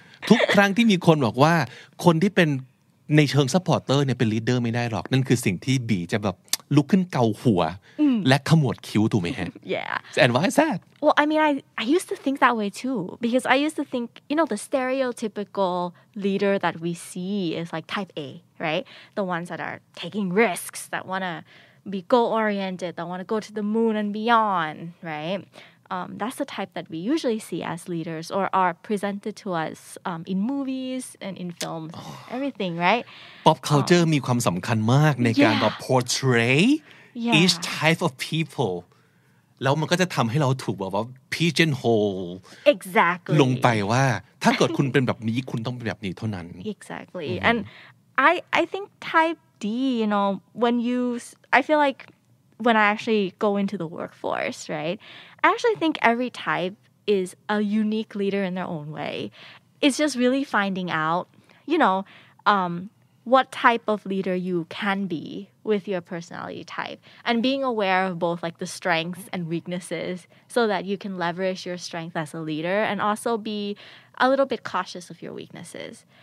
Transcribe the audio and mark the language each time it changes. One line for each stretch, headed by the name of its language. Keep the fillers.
Thai: ทุกครั้งที่มีคนบอกว่าคนที่เป็นในเชิงซัพพอร์เตอร์เนี่ยเป็นลีดเดอร์ไม่ได้หรอกนั่นคือสิ่งที่บีจะแบบลุกขึ้นเกาหัวและขมวดคิ้วถูกไหมฮะ
English: Yeah and why is that Well I mean I, I used to think that way too because I used to think you know the stereotypical leader that we see is like type A right the ones that are taking risks that wanna be goal oriented that wanna go to the moon and beyond right um, that's the type that we usually see as leaders or are presented to us um, in movies and in films, oh. everything, right?
Thai: Pop culture มีความสำคัญมากในการ
English: portray yeah. each type of people.
Thai: แล้วมันก็จะทำให้เราถูกแบบว่า
English: pigeon hole exactly
Thai: ลงไ ปว่าถ้าเกิดคุณเป็นแบบนี้คุณต้องเป็นแบบนี้เท่านั้น
English: exactly mm-hmm. and I I think type D you know when you I feel like when I actually go into the workforce right I actually think every type is a unique leader in their own way. It's just really finding out, you know, um, what type of leader you can be with your personality type and being aware of both like the strengths and weaknesses so that you can leverage your strength as a leader and also be a little bit cautious of your weaknesses.